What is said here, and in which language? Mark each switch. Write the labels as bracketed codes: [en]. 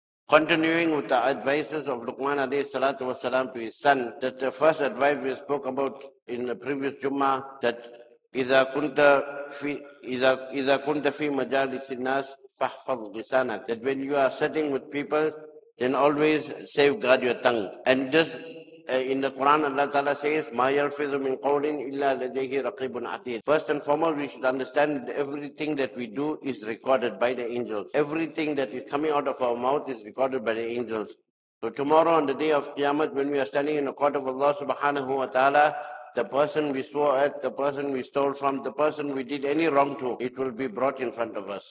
[en] Continuing with the advices of Luqman alayhi salatu wa salam to his son, that the first advice we spoke about in the previous Jummah, that [ar] إذا كنت في مجالس الناس فاحفظ لسانك, [en] that when you are sitting with people, then always safeguard your tongue. And just in the Quran, Allah Ta'ala says, [ar] ما يلفظ من قول إلا لديه رقيب عتيد. [en] First and foremost, we should understand that everything that we do is recorded by the angels. Everything that is coming out of our mouth is recorded by the angels. So tomorrow on the day of Qiyamah, when we are standing in the court of Allah subhanahu wa ta'ala, the person we swore at, the person we stole from, the person we did any wrong to, it will be brought in front of us.